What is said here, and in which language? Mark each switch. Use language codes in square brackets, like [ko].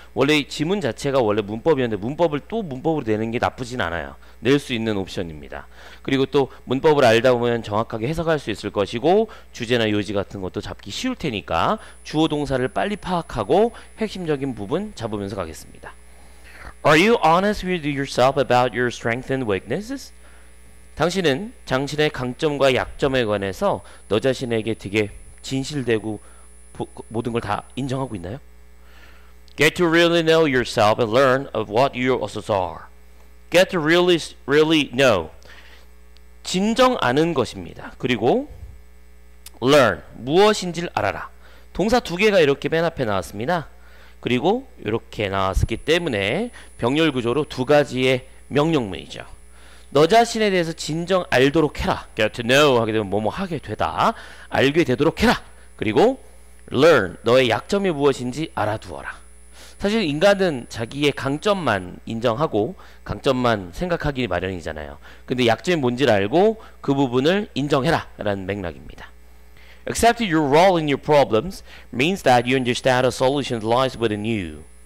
[ko] 원래 지문 자체가 원래 문법이었는데 문법을 또 문법으로 내는 게 나쁘진 않아요. 낼수 있는 옵션입니다. 그리고 또 문법을 알다 보면 정확하게 해석할 수 있을 것이고 주제나 요지 같은 것도 잡기 쉬울 테니까 주어 동사를 빨리 파악하고 핵심적인 부분 잡으면서 가겠습니다. [en] Are you honest with yourself about your strengths and weaknesses? [ko] 당신은 당신의 강점과 약점에 관해서 너 자신에게 되게 진실되고 모든 걸다 인정하고 있나요? [en] Get to really know yourself and learn of what your assets are. Get to really know. [ko] 진정 아는 것입니다. 그리고 learn, 무엇인지를 알아라. 동사 두 개가 이렇게 맨 앞에 나왔습니다. 그리고 이렇게 나왔기 때문에 병렬 구조로 두 가지의 명령문이죠. 너 자신에 대해서 진정 알도록 해라. [en] Get to know [ko] 하게 되면 뭐뭐 하게 되다. 알게 되도록 해라. 그리고 learn 너의 약점이 무엇인지 알아두어라. 사실 인간은 자기의 강점만 인정하고 강점만 생각하기 마련이잖아요. 근데 약점이 뭔지를 알고 그 부분을 인정해라라는 맥락입니다. [en] Accept your role in your problems means that you understand a solution lies within you.